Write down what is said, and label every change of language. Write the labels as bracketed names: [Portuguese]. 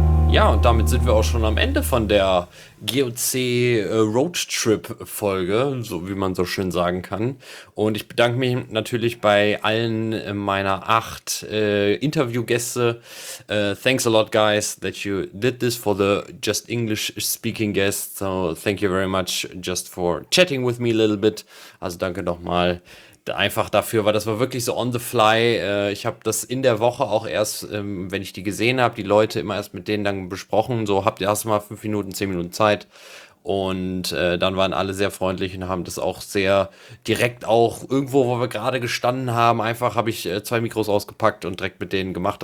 [German] Ja, und damit sind wir auch schon am Ende von der GOC Roadtrip-Folge, so wie man so schön sagen kann. Und ich bedanke mich natürlich bei allen meiner 8 Interviewgäste. [English] Thanks a lot, guys, that you did this for the just English-speaking guests. So thank you very much just for chatting with me a little bit. [German] Also danke nochmal einfach dafür, weil das war wirklich so [English] on the fly. [German] Ich habe das in der Woche auch erst, wenn ich die gesehen habe, die Leute immer erst mit denen dann besprochen. So habt ihr erstmal 5 Minuten, 10 Minuten Zeit. Und dann waren alle sehr freundlich und haben das auch sehr direkt auch irgendwo, wo wir gerade gestanden haben, einfach habe ich 2 Mikros ausgepackt und direkt mit denen gemacht.